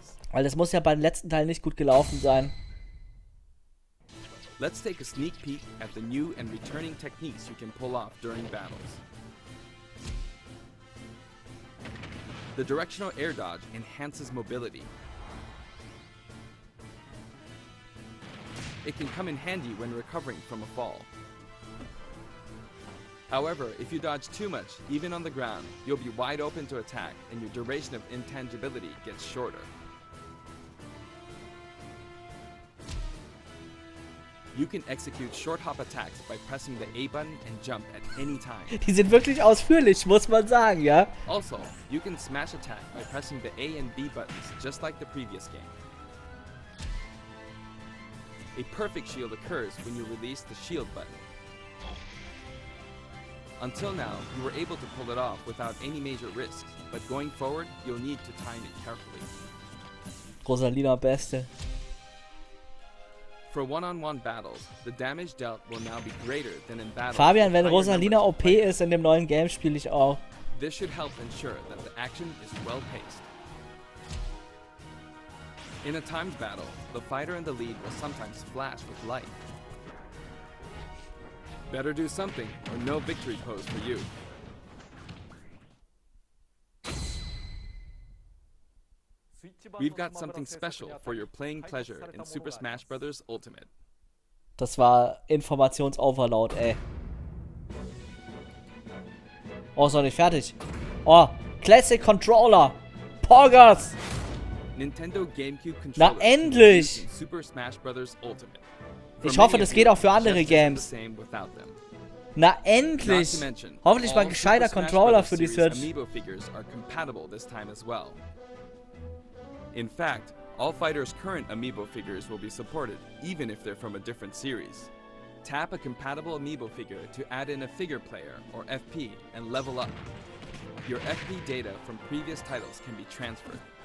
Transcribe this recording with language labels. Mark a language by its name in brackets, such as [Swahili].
[German] Weil das muss ja beim letzten Teil nicht gut gelaufen sein. [English] Let's take a sneak peek at the new and returning techniques you can pull off during battles. The directional air dodge enhances mobility. It can come in handy when recovering from a fall. However, if you dodge too much, even on the ground, you'll be wide open to attack and your duration of intangibility gets shorter. You can execute short hop attacks by pressing the A button and jump at any time. [German] Die sind wirklich ausführlich, muss man sagen, ja? [English] Also, you can smash attack by pressing the A and B buttons, just like the previous game. A perfect shield occurs when you release the shield button. Until now, you were able to pull it off without any major risks, but going forward, you'll need to time it carefully. [German] Rosalina Beste. [English] For one-on-one battles, the damage dealt will now be greater than in battle. [German] Fabian, wenn Rosalina OP ist in dem neuen Game, spiele ich auch. [English] This should help ensure that the action is well paced. In a timed battle, the fighter in the lead will sometimes flash with light. Better do something or no victory pose for you. We've got something special for your playing pleasure in Super Smash Bros. Ultimate. [German] Das war Informations-Overload, ey. Oh, ist noch nicht fertig. Oh, Classic Controller. Poggers. [English] Nintendo GameCube [German] Controller. Na endlich. [English] Super Smash Bros. Ultimate. [German] Ich hoffe, das geht auch für andere Games. Na endlich. Hoffentlich mal ein gescheiter Controller für die Switch. [English] Amiibo figures are compatible this time as well. In fact, all fighters' current amiibo figures will be supported, even if they're from a different series. Tap a compatible amiibo figure to add in a figure player, or FP, and level up. Your FP data from previous titles can be transferred.